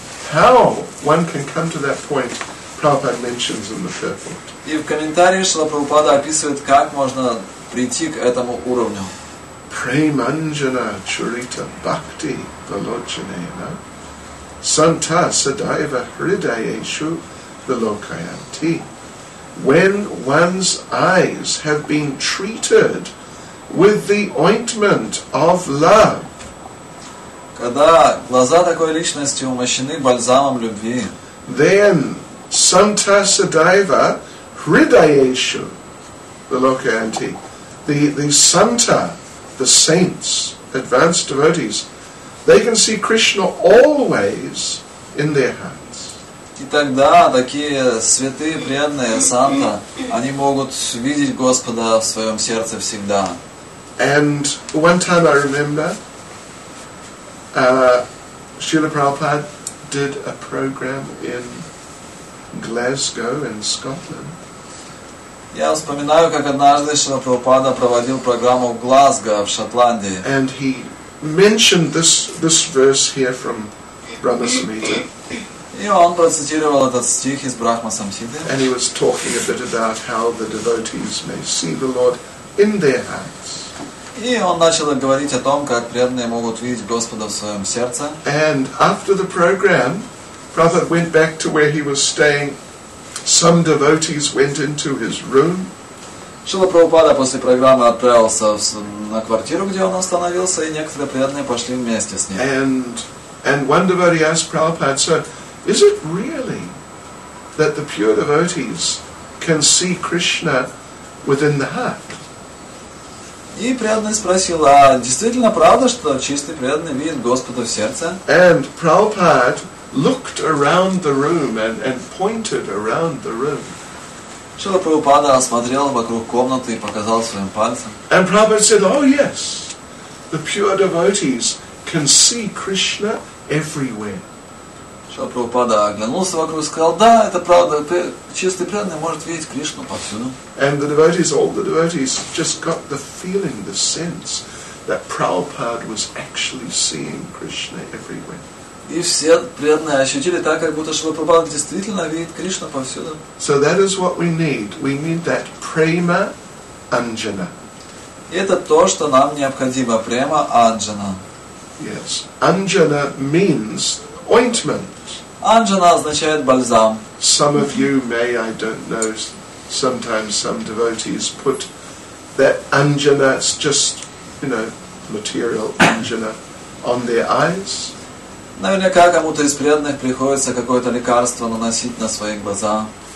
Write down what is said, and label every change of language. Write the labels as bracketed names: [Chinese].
[English] How one can come to that point, Prabhupada mentions in the third point. [Russian] И в комментарии Шрила Прабхупада описывает, как можно прийти к этому уровню. [Sanskrit] Премаджана чурита бхакти валочанена. Santa Sadaiva Hridayeshu Vilokayanti. [English] When one's eyes have been treated with the ointment of love. [Russian] Когда глаза такой личности умощены бальзамом любви, [Sanskrit] then Santa Sadaiva Hridayeshu Vilokayanti. [English] The Santa, the saints, advanced devotees, they can see Krishna always in their hearts. [Russian] И тогда такие святые преданные санта, они могут видеть Господа в своем сердце всегда. [English] And one time I remember, Srila Prabhupada did a program in Glasgow in Scotland. [Russian] Я вспоминаю, как однажды Шрила Прабхупада проводил программу в Глазго, в Шотландии. [English] And he mentioned this verse here from Brahma Samhita. [Russian] И он процитировал этот стих из Брахма Самхиты. [English] And he was talking a bit about how the devotees may see the Lord in their hearts. [Russian] И он начал говорить о том, как преданные могут видеть Господа в своем сердце. [English] And after the program, Prabhupada went back to where he was staying. Some devotees went into his room. [Russian] Шрила Прабхупада после программы отправился на квартиру, где он остановился, и некоторые преданные пошли вместе с ним. [English] And one devotee asked Prabhupada, "So, is it really that the pure devotees can see Krishna within the heart?" [Russian] И преданный спросил, а действительно правда, что чистый преданный видит Господа в сердце? [English] And Prabhupada looked around the room and pointed around the room. [Russian] Шрила Прабхупада осмотрел вокруг комнаты и показал своим пальцем. [English] And Prabhupada said, "Oh yes, the pure devotees can see Krishna everywhere." [Russian] Шрила Прабхупада оглянулся вокруг и сказал, "Да, это правда, чистый преданный может видеть Кришну повсюду." [English] And the devotees, all the devotees, just got the feeling, the sense that Prabhupada was actually seeing Krishna everywhere. [Russian] И все преданные ощутили так, как будто Шрила Прабхупада действительно видит Кришну повсюду. [English] So that is what we need. We need that prema anjana. [Russian] Это то, что нам необходимо. [Sanskrit] Према анджана. [English] Yes. Anjana means ointment. [Russian] Анджана означает бальзам. [English] Some of you may, I don't know, sometimes some devotees put that anjana, it's just, you know, material anjana, on their eyes. [Russian] Наверняка кому-то из преданных приходится какое-то лекарство наносить на свои глаза.